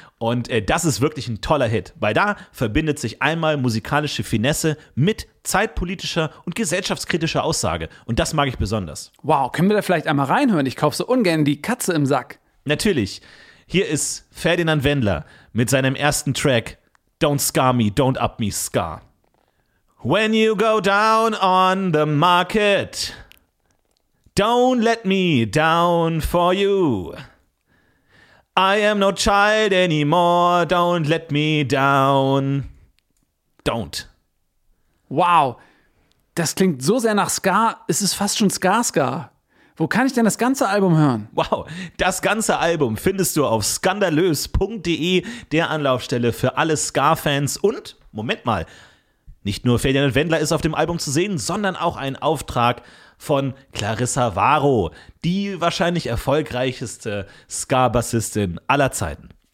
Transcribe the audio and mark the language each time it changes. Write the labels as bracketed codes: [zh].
[de] Und das ist wirklich ein toller Hit, weil da verbindet sich einmal musikalische Finesse mit zeitpolitischer und gesellschaftskritischer Aussage. Und das mag ich besonders. Wow, können wir da vielleicht einmal reinhören? Ich kaufe so ungern die Katze im Sack. Natürlich. Hier ist Ferdinand Wendler mit seinem ersten Track Don't Scar Me, Don't Up Me, Scar. [en] When you go down on the market, don't let me down for you. I am no child anymore, don't let me down. Don't. [de] Wow, das klingt so sehr nach Ska, es ist fast schon Ska-Ska. Wo kann ich denn das ganze Album hören? Wow, das ganze Album findest du auf skandalös.de, der Anlaufstelle für alle Ska-Fans. Und, Moment mal, nicht nur Ferdinand Wendler ist auf dem Album zu sehen, sondern auch ein Auftrag von Clarissa Varo, die wahrscheinlich erfolgreichste Ska-Bassistin aller Zeiten.